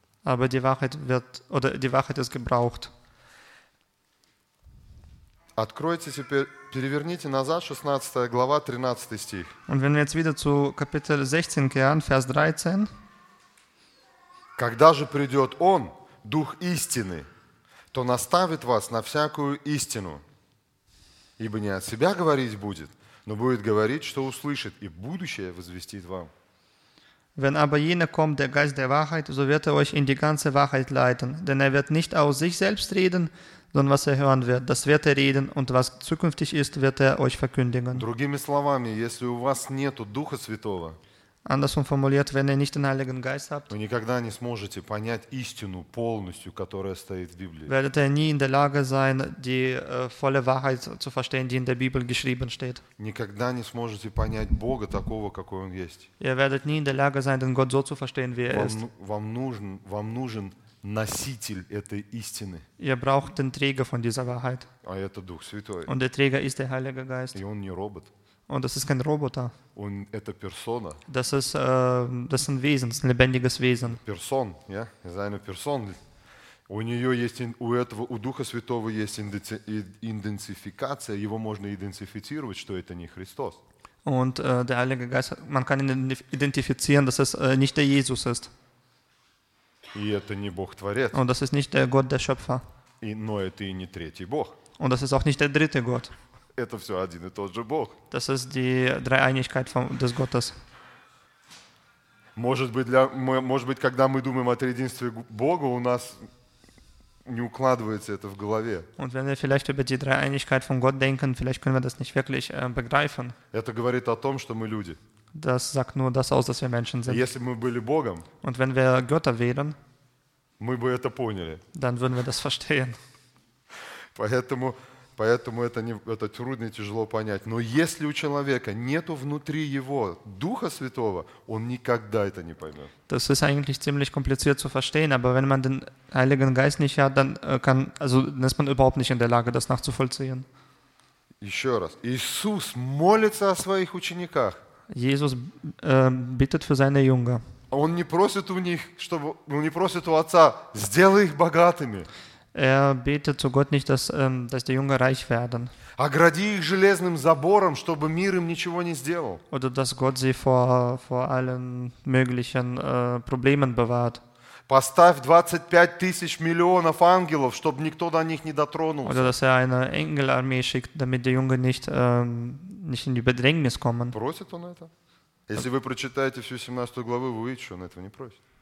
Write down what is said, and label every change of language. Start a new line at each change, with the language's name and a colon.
German: Aber die Wahrheit wird, oder die Wahrheit ist gebraucht.
Russian: Откройте теперь, переверните назад, 16 глава, 13 стих.
German: Und wenn wir jetzt wieder zu Kapitel 16 kehren, Vers 13.
Russian: Когда же придет Он, Дух истины, то наставит вас на всякую истину. Ибо не от себя говорить будет, но будет говорить, что услышит, и будущее возвестит вам.
German: Wenn aber jener kommt, der Geist der Wahrheit, so wird er euch in die ganze Wahrheit leiten. Denn er wird nicht aus sich selbst reden, sondern was er hören wird, das wird er reden und was zukünftig ist, wird er euch verkündigen.
Russian: Другими словами, если у вас нету Духа Святого,
German: andersrum formuliert, wenn ihr nicht den Heiligen Geist habt,
Russian: вы никогда не сможете понять истину полностью, которая стоит в Библии.
German: Werdet ihr nie in der Lage sein, die volle Wahrheit zu verstehen, die in der Bibel geschrieben steht.
Russian: Никогда не сможете понять Бога такого, какой Он есть.
German: Ihr werdet nie in der Lage sein, den Gott so zu verstehen, wie er ist.
Russian: Вам нужен носитель этой истины.
German: Ihr braucht den Träger von dieser Wahrheit.
Russian: А это Дух Святой.
German: Und der Träger ist der Heilige Geist.
Russian: И он не робот.
German: Und das ist kein Roboter. Und это persona. Das ist ein Wesen, ein lebendiges Wesen. Person, ja, seine Person.
Russian: У нее есть, у этого, у Духа Святого есть идентификация. Его можно идентифицировать, что это не Христос.
German: Und der Heilige Geist, man kann ihn identifizieren, dass es nicht der Jesus ist.
Russian: И это не Бог Творец.
German: Und das ist nicht der Gott, der Schöpfer.
Russian: И, но это и не третий Бог.
German: Und das ist auch nicht der dritte Gott.
Russian: Это все один и тот же Бог.
German: Das ist die Dreieinigkeit des Gottes.
Russian: Может быть, когда мы думаем о триединстве Бога, у нас не укладывается это в голове.
German: Und wenn wir vielleicht über die Dreieinigkeit von Gott denken, vielleicht können wir das nicht wirklich begreifen.
Russian: Это говорит о том, что мы люди.
German: Das sagt nur das aus, dass wir Menschen sind.
Russian: Если бы мы были Богом,
German: und wenn wir Götter wären,
Russian: мы бы это поняли.
German: Dann würden wir das verstehen.
Russian: Поэтому это трудно и тяжело понять. Но если у человека нет внутри его Духа Святого, он никогда это не поймет.
German: Das ist eigentlich ziemlich kompliziert zu verstehen, aber wenn man den Heiligen Geist nicht hat, dann ist man überhaupt nicht in der Lage, das nachzuvollziehen.
Russian: Еще раз. Иисус молится о своих учениках.
German: Jesus bittet für seine Jünger.
Russian: Он не просит у них, чтобы, он не просит у Отца, сделай их богатыми.
German: Er betet zu Gott nicht, dass, dass die Jungen reich werden.
Russian: Огради их железным забором, чтобы мир им ничего не сделал.
German: Oder dass Gott sie vor allen möglichen Problemen bewahrt.
Russian: Поставь 25 тысяч миллионов ангелов, чтобы никто до них не дотронулся.
German: Oder dass er eine Engelarmee schickt, damit die Jungen nicht, nicht in die Bedrängnis kommen.
Russian: Просит он это? Если вы прочитаете всю 17 главу, вы увидите, что он этого не просит.